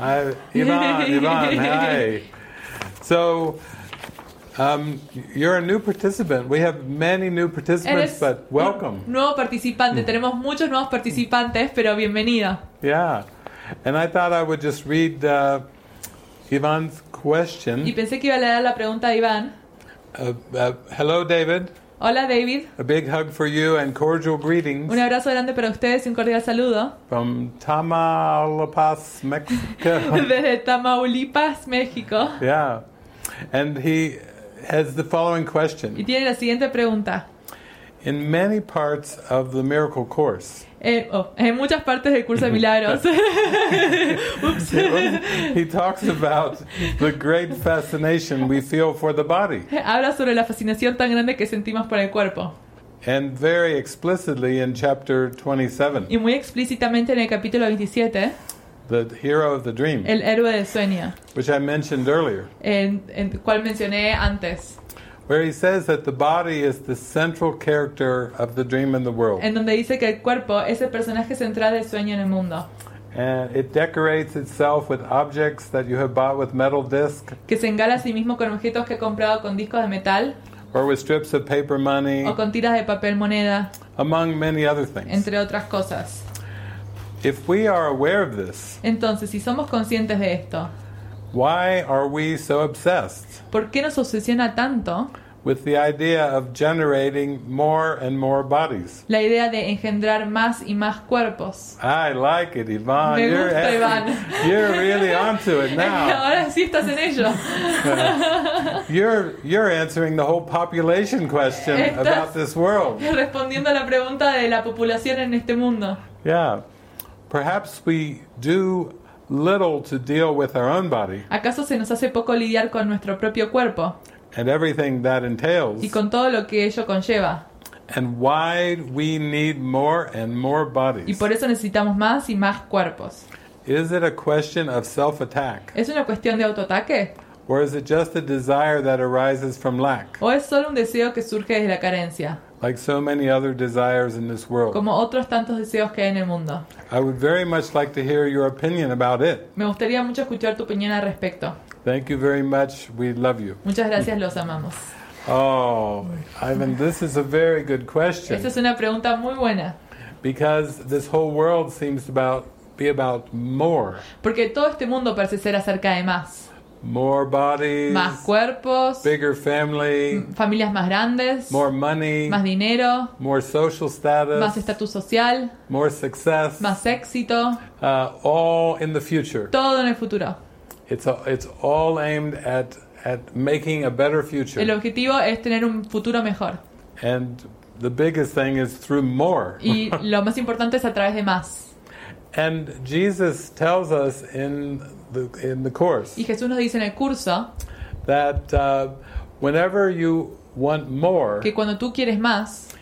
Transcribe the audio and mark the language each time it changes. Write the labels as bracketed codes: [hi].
[en] Ivan, hi. So, you're a new participant. We have many new participants, but welcome. [es] Nuevo participante. Mm. Tenemos muchos nuevos participantes, pero bienvenido. [en] Yeah, and I thought I would just read Ivan's question. [es] Y pensé que iba a leer la pregunta de Iván. [en] Hello, David. [es] Hola, David. [en] A big hug for you and cordial greetings. [es] Un abrazo grande para ustedes y un cordial saludo. [en] From Tamaulipas, Mexico. [es] Desde Tamaulipas, México. [en] Yeah. And he has the following question. [es] Y tiene la siguiente pregunta. [en] In many parts of the miracle course. [es] En muchas partes del curso de milagros. Oops. [en] He talks about the great fascination we feel for the body. [es] Habla sobre la fascinación tan grande que sentimos por el cuerpo. [en] And very explicitly in chapter 27. [es] Y muy explícitamente en el capítulo 27. [en] The hero of the dream. [es] El héroe del sueño. [en] Which I mentioned earlier. [es] En cual mencioné antes. [en] Where he says that the body is the central character of the dream in the world. [es] En donde dice que el cuerpo es el personaje central del sueño en el mundo. [en] And it decorates itself with objects that you have bought with metal discs. [es] Que se engala a sí mismo con objetos que he comprado con discos de metal. [en] Or with strips of paper money. [es] O con tiras de papel moneda. [en] Among many other things. [es] Entre otras cosas. [en] If we are aware of this. [es] Entonces, si somos conscientes de esto. [en] Why are we so obsessed? [es] ¿Por qué nos obsesiona tanto? [en] With the idea of generating more and more bodies. [es] La idea de engendrar más y más cuerpos. [en] I like it, Iván. [es] Me gusta, Iván. [en] You're really onto it now. [es] Ahora sí estás en ello. [en] You're answering the whole population question about this world. [es] Respondiendo a la pregunta de la población en este mundo. [en] Yeah. Perhaps we do little to deal with our own body. [es] ¿Acaso se nos hace poco lidiar con nuestro propio cuerpo? [en] And everything that entails. [es] Y con todo lo que ello conlleva. [en] And why we need more and more bodies. [es] Y por eso necesitamos más y más cuerpos. [en] Is it a question of self-attack? [es] ¿Es una cuestión de autoataque? [en] Or is it just a desire that arises from lack? [es] ¿O es solo un deseo que surge desde la carencia? [en] Like so many other desires in this world. [es] Como otros tantos deseos que hay en el mundo. [en] I would very much like to hear your opinion about it. [es] Me gustaría mucho escuchar tu opinión al respecto. [en] Thank you very much. We love you. [es] Muchas gracias, los amamos. [en] Oh, Ivan, this is a very good question. [es] Esta es una pregunta muy buena. [en] Because this whole world seems to be about more. [es] Porque todo este mundo parece ser acerca de más. [en] More bodies. [es] Más cuerpos. [en] Bigger family. [es] Familias más grandes. [en] More money. [es] Más dinero. [en] More social status. [es] Más estatus social. [en] More success. [es] Más éxito. [en] All in the future. [es] Todo en el futuro. [en] It's all aimed at making a better future. [es] El objetivo es tener un futuro mejor. [en] And the biggest thing is through more. [es] Y lo más importante es a través de más. [en] And Jesus tells us in the course. [es] Y Jesús nos dice en el curso [en] that whenever you want more, [es] que cuando tú quieres más,